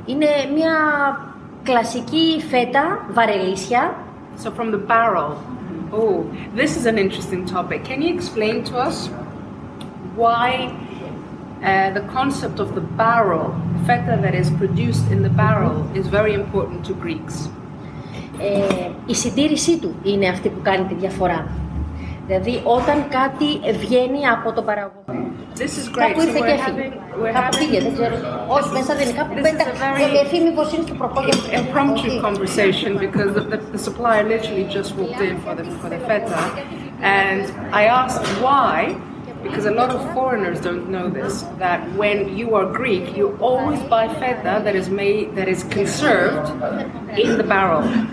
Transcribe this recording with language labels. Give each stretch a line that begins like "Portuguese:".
Greek: Είναι μια κλασική φέτα, βαρελίσια.
English: So from the barrel. Mm-hmm. Oh, this is an interesting topic. Can you explain to us why the concept of the barrel, feta that is produced in the barrel, is very important to Greeks?
Greek: Η συντήρησή του είναι αυτή που κάνει τη διαφορά. Δηλαδή όταν κάτι βγαίνει από το παραγωγό.
English: This is great.
Greek: Κάπου ήρθε και έφυγε. Κάπου πήγε, δεν ξέρω. Όχι, μέσα δεν είναι. Κάπου πέτα. Γιατί εφή μήπως είναι στο προπόγιο.
English: It's an impromptu conversation because the supplier literally just walked in for the feta. And I asked why, because a lot of foreigners don't know this, that when you are Greek, you always buy feta that is made, that is conserved in the barrel.